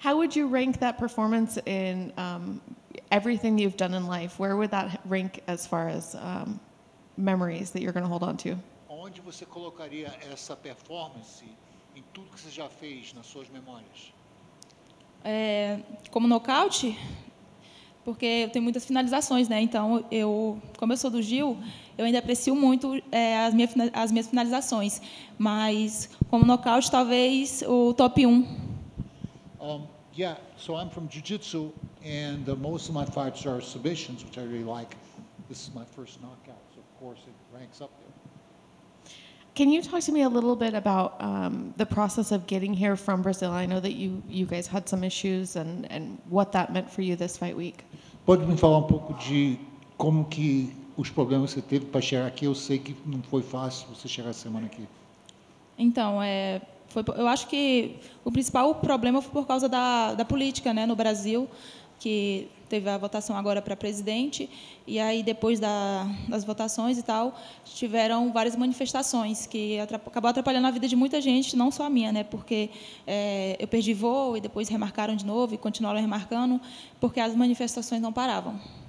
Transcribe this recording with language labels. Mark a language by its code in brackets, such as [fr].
[en] How would you rank that performance in everything you've done in life? Where would that rank as far as memories that you're going to hold on to? [pt] Onde você colocaria essa performance em tudo que você já fez nas suas memórias? Como nocaute? Porque eu tenho muitas finalizações, né? Então, eu, como eu sou do Gil, eu ainda aprecio muito as minhas finalizações. Mas, como nocaute, talvez o top 1. [en] Yeah, so I'm from Jiu-Jitsu, and most of my fights are submissions, which I really like. This is my first knockout, so of course it ranks up there. Can you talk to me a little bit about the process of getting here from Brazil? I know that you guys had some issues and what that meant for you this fight week. [pt] Pode me falar pouco de como que os problemas que você teve para chegar aqui? Eu sei que não foi fácil você chegar semana aqui. Então, eu acho que o principal problema foi por causa da política, né, no Brasil, que teve a votação agora para presidente, e aí depois das votações e tal, tiveram várias manifestações, que acabou atrapalhando a vida de muita gente, não só a minha, né, porque eu perdi voo e depois remarcaram de novo e continuaram remarcando, porque as manifestações não paravam.